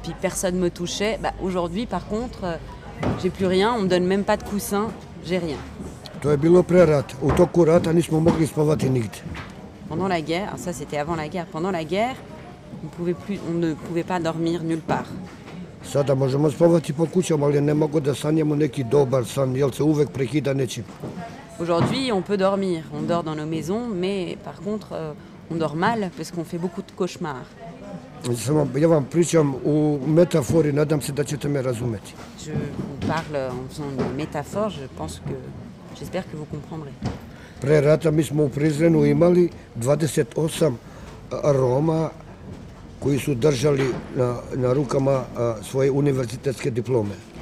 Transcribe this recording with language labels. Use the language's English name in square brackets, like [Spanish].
[French] Puis personne ne me touchait. Bah, aujourd'hui, par contre, j'ai plus rien. On me donne même pas de coussin. J'ai rien. [Serbian] To je bilo pre rata. U toku rata nismo mogli spavati nigde. [French] Pendant la guerre, ça c'était avant la guerre. Pendant la guerre, on ne pouvait pas dormir nulle part. [Serbian] Sada možemo spavati po kućama, ali ne mogu da sanjamo neki dobar san, jer se uvek prekida nečim. [French] Aujourd'hui, on peut dormir. On dort dans nos maisons, mais par contre, on dort mal parce qu'on fait beaucoup de cauchemars. [Serbian] Samo ja vam pričam u metafori, nadam se da ćete me razumeti. [French] Je vous parle en faisant une métaphore, je pense que j'espère que vous comprendrez. [Serbian] Pre rata mi smo u Prizrenu imali 28 Roma koji su držali na rukama svoje univerzitetske diplome.